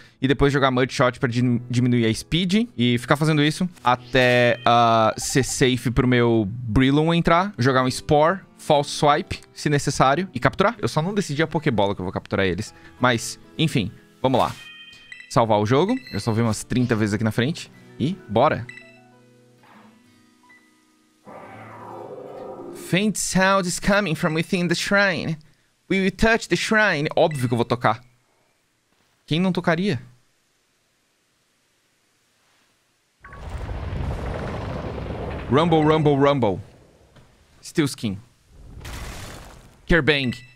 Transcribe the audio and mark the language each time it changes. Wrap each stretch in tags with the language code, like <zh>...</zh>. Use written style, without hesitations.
<pt>E depois jogar Mudshot pra diminuir a speed. E ficar fazendo isso até ser safe pro meu Breloom entrar. Jogar um Spore, False Swipe, se necessário. E capturar. Eu só não decidi a Pokébola que eu vou capturar eles. Mas, enfim, vamos lá. Salvar o jogo. Eu salvei umas 30 vezes aqui na frente. E bora.</pt> <en>Faint sound is coming from within the shrine. We will touch the shrine.</en> <pt>Óbvio que eu vou tocar. Quem não tocaria?</pt> <en>Rumble, rumble, rumble. Steel skin. Kerbang.</en>